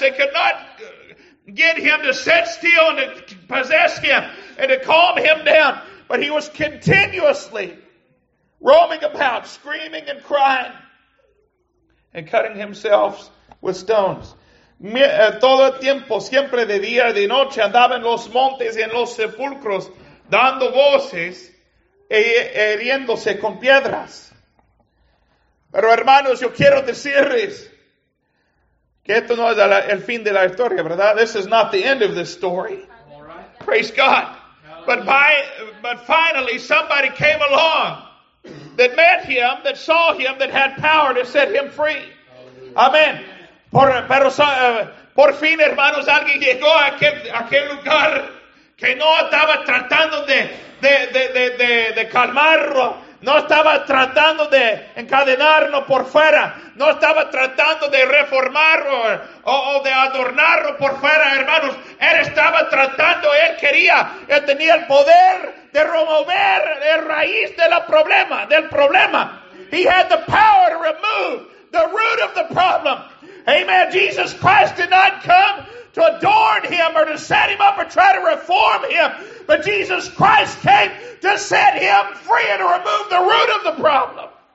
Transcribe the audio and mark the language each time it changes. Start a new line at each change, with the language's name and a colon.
English: They could not get him to sit still and to possess him and to calm him down. But he was continuously roaming about, screaming and crying and cutting himself with stones.
Spanish: Todo tiempo, siempre de día y de noche, andaba en los montes y en los sepulcros dando voces. Heriéndose con piedras. Pero hermanos, yo quiero decirles que esto no es el fin de la historia, ¿verdad?
English: This is not the end of this story. Right. Praise God. But finally, somebody came along that met him, that saw him, that had power to set him free.
Spanish: Amén. Por fin, hermanos, alguien llegó a aquel lugar que no estaba tratando de calmarlo, no estaba tratando de encadenarlo por fuera, no estaba tratando de reformarlo o de adornarlo por fuera, hermanos. Él estaba tratando, él tenía el poder de remover la raíz del problema.
English: He had the power to remove the root of the problem. Amen. Jesus Christ did not come to adorn him or to set him up or try to reform him. But Jesus Christ came to set him free and to remove the root of the problem.